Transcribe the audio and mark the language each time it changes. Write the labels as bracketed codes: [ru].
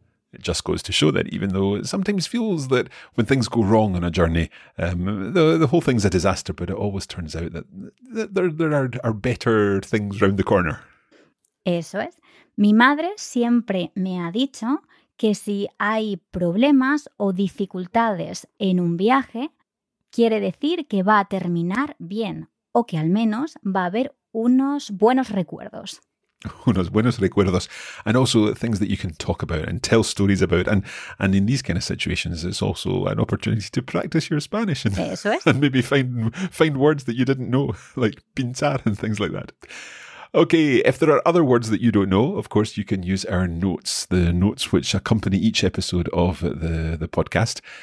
[en] It just goes to show that even though it sometimes feels that when things go wrong on a journey, the whole thing's a disaster, but it always turns out that there are better things around the corner. [es] Eso es. Mi madre siempre me ha dicho que si hay problemas o dificultades en un viaje, quiere decir que va a terminar bien o que al menos va a haber unos buenos recuerdos. Unos buenos recuerdos, [en] and also things that you can talk about and tell stories about, and in these kind of situations, it's also an opportunity to practice your Spanish and maybe find words that you didn't know, like pinchar and things like that. Okay, if there are other words that you don't know, of course, you can use our notes, the notes which accompany each episode of the podcast.